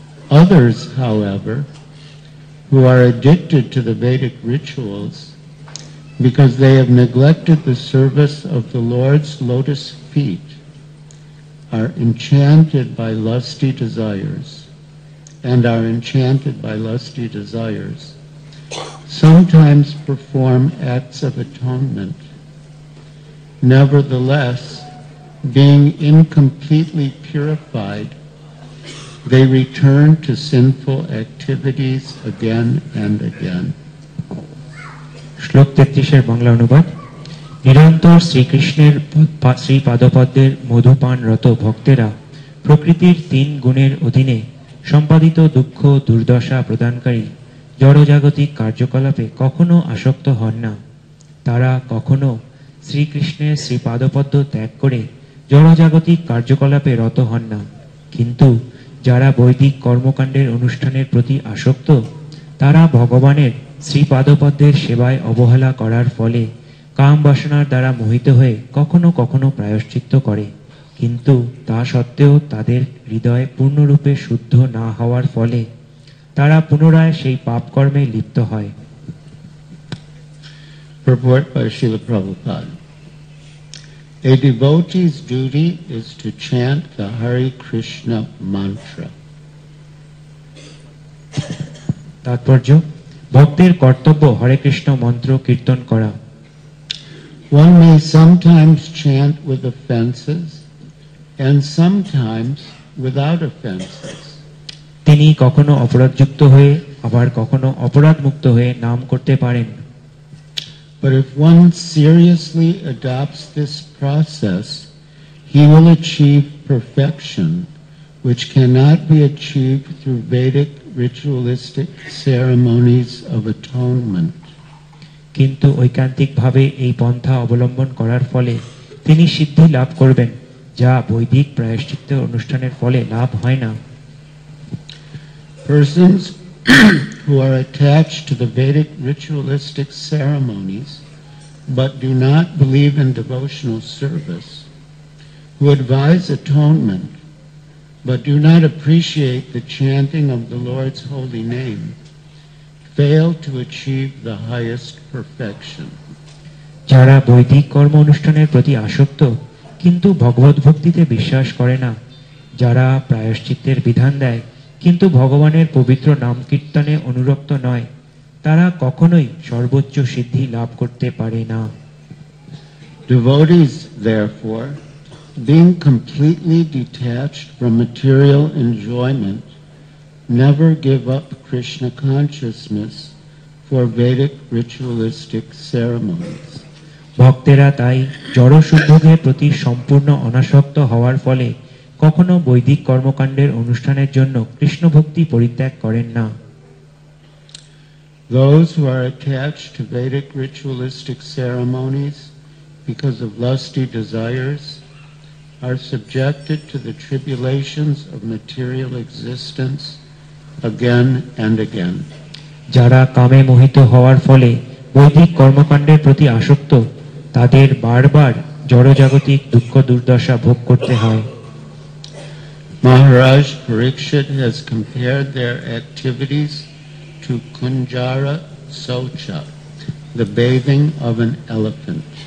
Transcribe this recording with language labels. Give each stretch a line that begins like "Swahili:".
English: Others, however, who are addicted to the Vedic rituals because they have neglected the service of the Lord's lotus feet, are enchanted by lusty desires, and are enchanted by lusty desires, sometimes perform acts of atonement. Nevertheless, being incompletely purified, they return to sinful activities again and again.
Bangla: শ্লোক 33-এর বাংলা অনুবাদ নিরন্তর শ্রীকৃষ্ণের শ্রীপাদপদ্মের মধুপানরত ভক্তেরা প্রকৃতির তিন গুণের অধীনে সম্পাদিত দুঃখ দুর্দশা প্রদানকারী জড়জাগতিক কার্যকলাপে কখনো আসক্ত হন না। তারা কখনো শ্রীকৃষ্ণের শ্রীপাদপদ্ম ত্যাগ করে জড়জাগতিক কার্যকলাপে রত হন না। কিন্তু যারা বৈদিক কর্মকাণ্ডের অনুষ্ঠানের প্রতি আসক্ত, তারা ভগবানের শ্রীপাদপদ্মের সেবায় অবহেলা করার ফলে কাম বাসনার দ্বারা মোহিত হয়ে কখনো কখনো প্রায়শ্চিত্ত করে, কিন্তু তা সত্ত্বেও তাদের হৃদয় পূর্ণরূপে শুদ্ধ না হওয়ার ফলে তারা পুনরায় সেই পাপ কর্মে লিপ্ত হয়।
English: Purport by Srila Prabhupada. A devotee's duty is to chant the Hare Krishna mantra.
Bangla: তাৎপর্য, ভক্তের কর্তব্য হরে কৃষ্ণ মন্ত্র কীর্তন করা।
English: One may sometimes chant with offenses and sometimes without offenses.
Bangla: তিনি কখনো অপরাধযুক্ত হয়ে আবার কখনো অপরাধমুক্ত হয়ে নাম করতে পারেন।
English: But if one seriously adopts this process, he will achieve perfection which cannot be achieved through Vedic ritualistic ceremonies of atonement.
Bangla: কিন্তু ঐকান্তিকভাবে এই পন্থা অবলম্বন করার ফলে তিনি সিদ্ধি লাভ করবেন যা বৈদিক প্রায়শ্চিত্ত অনুষ্ঠানের ফলে লাভ হয় না।
English: Persons who are attached to the Vedic ritualistic ceremonies but do not believe in devotional service, who advise atonement but do not appreciate the chanting of the Lord's holy name, fail to achieve the highest perfection.
Bangla: যারা বৈদিক কর্ম অনুষ্ঠানের প্রতি আসক্ত কিন্তু ভগবত ভক্তিতে বিশ্বাস করে না, যারা প্রায়শ্চিত্তের বিধান দেয় কিন্তু ভগবানের পবিত্র নাম কীর্তনে অনুরক্ত নয়, তারা কখনোই সর্বোচ্চ সিদ্ধি লাভ করতে পারে না।
English: Devotees, therefore, being completely detached from material enjoyment, never give up Krishna consciousness for Vedic ritualistic ceremonies.
Bangla: ভক্তেরা তাই জড় শুদ্ধের প্রতি সম্পূর্ণ অনাসক্ত হওয়ার ফলে কখনো বৈদিক কর্মকাণ্ডের অনুষ্ঠানের জন্য কৃষ্ণ ভক্তি পরিত্যাগ করেন না।
English: Those who are attached to Vedic ritualistic ceremonies because of lusty desires are subjected to the tribulations of material existence again and again.
Bangla: যারা কামে মোহিত হওয়ার ফলে বৈদিক কর্মকাণ্ডের প্রতি আসক্ত, তাদের বারবার জড়জাগতিক দুঃখ দুর্দশা ভোগ করতে হয়।
English: Maharaj Parikshit has compared their activities to Kunjara Saucha, the bathing of an elephant.